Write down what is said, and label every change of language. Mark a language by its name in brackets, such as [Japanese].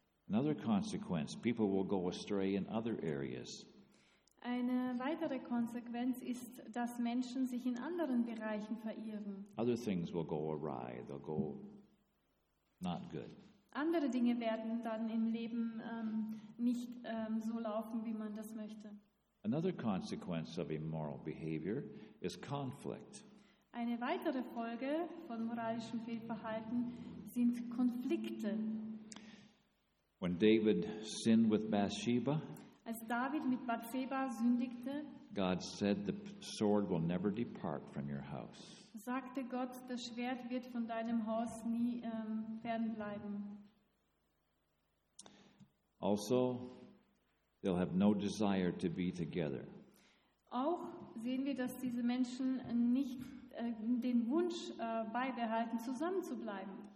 [English] Another consequence, people will go astray in other areas. [German] Eine weitere Konsequenz ist, dass Menschen sich in anderen Bereichen verirren. [English] Other things will go awry, they'll go not good. [German] Andere Dinge werden dann im Leben nicht so laufen, wie man das möchte. [English] Another consequence of immoral behavior is conflict. [German] Eine weitere Folge von moralischem Fehlverhalten sind Konflikte. [English] When David sinned with Bathsheba, [German] als David mit Bathsheba sündigte, [English] God said the sword will never depart from your house. [German] Sagte Gott, das Schwert wird von deinem Haus nie fernbleiben. [English] Also, they'll have no desire to be together. [German] Auch sehen wir, dass diese Menschen nicht den Wunsch beibehalten, zusammen zu bleiben.